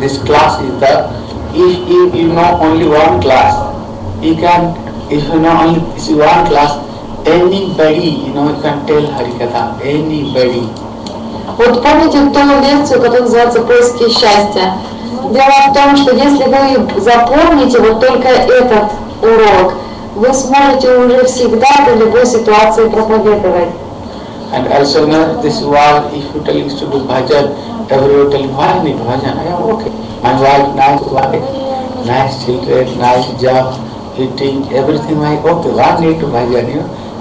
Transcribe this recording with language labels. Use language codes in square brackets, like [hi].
[en] This class is the, if you know only one class, you can, if you know only this one class, anybody, you know, you can tell Harikatha, anybody. [ru] Вот помните ту лекцию, которая называется «Поиски счастья». Дело в том, что если вы запомните вот только этот урок, вы сможете уже всегда в любой ситуации проповедовать. [en] And also, you know, this world, if you tell to do bhajan, everyone tell why not bhajan? I am okay. My wife, nice wife, nice children, nice job, eating, everything, my okay, why need to bhajan, you know?